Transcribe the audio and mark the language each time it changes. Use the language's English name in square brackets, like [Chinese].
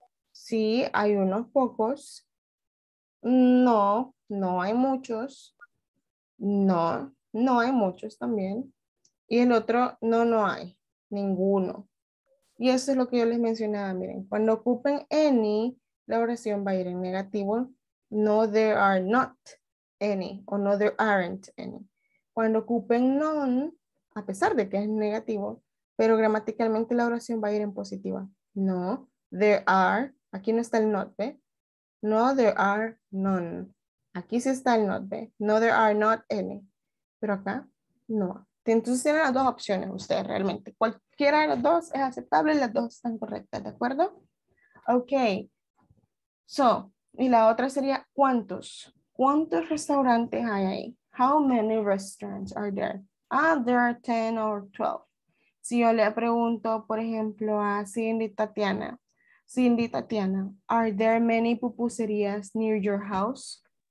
[Spanish] Sí, hay unos pocos. No, no hay muchos. No, no hay muchos también. Y el otro, no, no hay ninguno. Y eso es lo que yo les mencionaba, miren, cuando ocupen any, la oración va a ir en negativo. [English] No, there are not any, o no, there aren't any. [Spanish] Cuando ocupen none, a pesar de que es negativo, pero gramaticalmente la oración va a ir en positiva. [English] No, there are, [Spanish] aquí no está el not, ¿ve? [English] No, there are none. [Spanish] Aquí sí está el not, ¿ve? [English] No, there are not any. [Spanish] Pero acá, no. Entonces tienen las dos opciones ustedes realmente. Cualquiera de las dos es aceptable, las dos están correctas, ¿de acuerdo? Ok. So, y la otra sería, ¿cuántos? ¿Cuántos restaurantes hay ahí? [English] How many restaurants are there? Ah, there are 10 or 12. [Spanish] Si yo le pregunto, por ejemplo, a Cindy Tatiana. [English] Cindy Tatiana, are there many pupuserías near your house?